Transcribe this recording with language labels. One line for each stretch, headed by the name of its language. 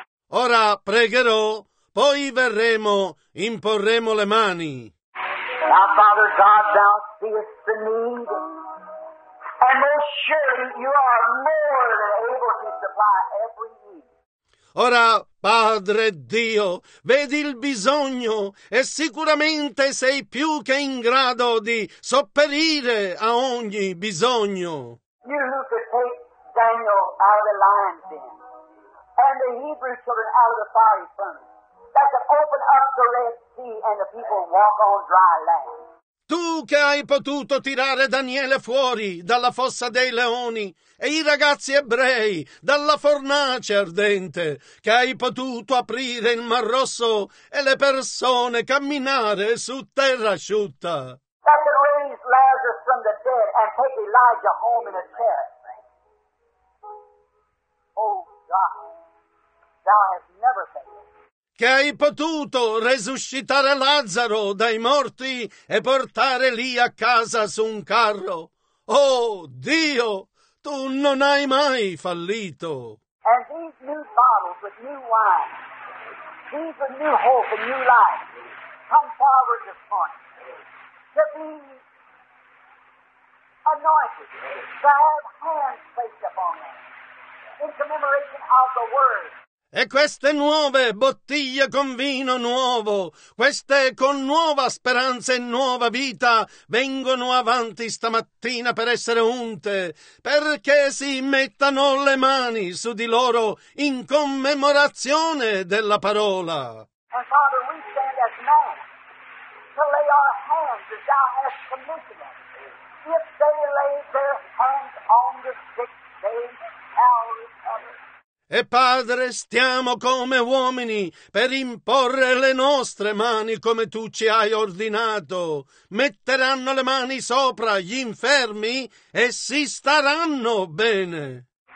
Italian: Ora pregherò, poi verremo, imporremo le mani.
English: Now, Father God, thou seest the need, and most surely you are more than able to supply every need.
Italian: Ora, Padre Dio, vedi il bisogno e sicuramente sei più che in grado di sopperire a ogni bisogno.
English: You who could take Daniel out of the lion's den and the Hebrew children out of the fiery furnace, that could open up the Red Sea and the people walk on dry land.
Italian: Tu che hai potuto tirare Daniele fuori dalla fossa dei leoni e i ragazzi ebrei dalla fornace ardente, che hai potuto aprire il Mar Rosso e le persone camminare su terra asciutta.
English: That can raise Lazarus from the dead and take Elijah home in a chariot. Oh God, thou hast never failed.
Italian: Che hai potuto resuscitare Lazzaro dai morti e portare lì a casa su un carro. Oh Dio, tu non hai mai fallito.
English: And these new bottles with new wine, these with new hope and new life, come forward this morning to be anointed, to have hands placed upon them in commemoration of the word.
Italian: E queste nuove bottiglie con vino nuovo, queste con nuova speranza e nuova vita, vengono avanti stamattina per essere unte, perché si mettano le mani su di loro in commemorazione della parola.
English: And Father, we stand as men to lay our hands as thou hast commissioned them. If they lay their hands on the sick, they shall recover.
Italian: E Padre, stiamo come uomini per imporre le nostre mani come tu ci hai ordinato. Metteranno le mani sopra gli infermi e si staranno bene.